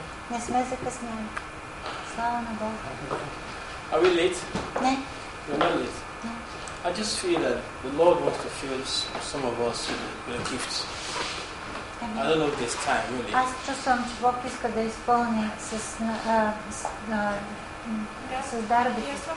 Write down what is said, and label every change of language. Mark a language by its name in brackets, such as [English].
[Bulgarian] Не сме закъснели. Слава на Бог. [English] Are we late? [Bulgarian] Не. [English] I just feel that the Lord wants to fill some of us with a gift. I don't know if there's time, really. [Bulgarian] Аз чувствам, че Бог иска да изпълни с дарбите.